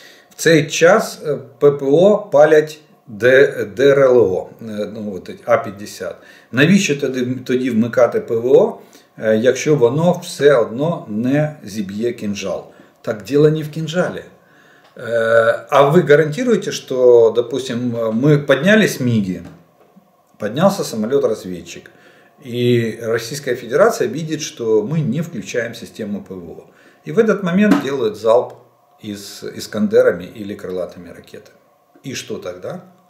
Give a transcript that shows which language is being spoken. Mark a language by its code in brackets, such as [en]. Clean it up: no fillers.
[uk] В цей час ППО палять ДРЛО, ну, [ru] вот эти, [uk] А-50. Навіщо тоді вмикати ПВО, якщо воно все одно не зіб'є кинжал? [ru] Так дело не в кинжале. А вы гарантируете, что, допустим, мы поднялись МИГи, поднялся самолет-разведчик, и Российская Федерация видит, что мы не включаем систему ПВО. И в этот момент делают залп из Искандерами или крылатыми ракетами. И что тогда?